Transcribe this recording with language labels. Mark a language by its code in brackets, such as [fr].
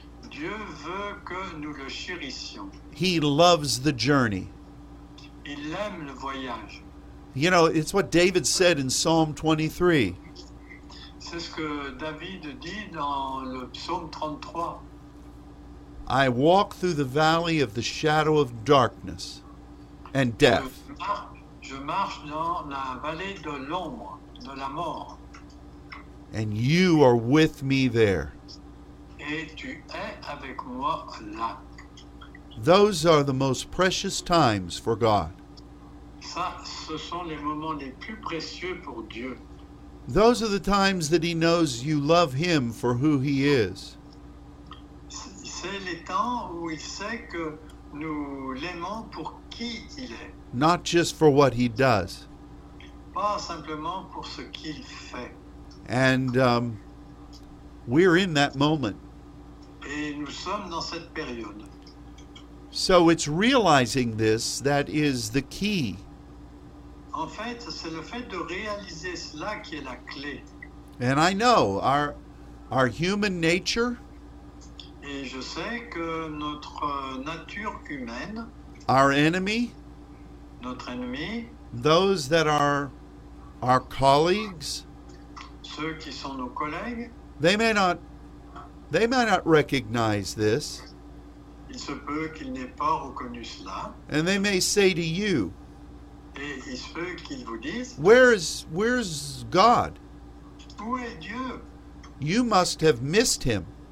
[fr] Dieu veut que nous le chérissions. [en] He loves the journey. [fr] Il aime le voyage. [en] You know, it's what David said in Psalm 23. [fr] C'est ce que David dit dans le psaume 33. [en] I walk through the valley of the shadow of darkness and death. [fr] Je marche dans la vallée de l'ombre, de la mort. [en] And you are with me there. [fr] Et tu es avec moi là. [en] Those are the most precious times for God. [fr] Ça, ce sont les moments les plus précieux pour Dieu. [en] Those are the times that he knows you love him for who he is. [fr] C'est les temps où il sait que nous l'aimons pour qui il est. [en] Not just for what he does. [fr] Pas simplement pour ce qu'il fait. [en] And we're in that moment. [fr] Et nous sommes dans cette période. [en] So it's realizing this that is the key. [fr] En fait, c'est le fait de réaliser cela qui est la clé. [en] And I know our human nature. [fr] Et je sais que notre nature humaine. [en] Our enemy. [fr] Notre ennemi. [en] Those that are our colleagues. [fr] ceux qui sont nos collègues. [en] They may not recognize this. [fr] Il se peut qu'ils n'aient pas reconnu cela. [en] And they may say to you, [fr] et il se peut qu'ils vous disent, [en] where's God? [fr] Où est Dieu? [en] You must have missed him.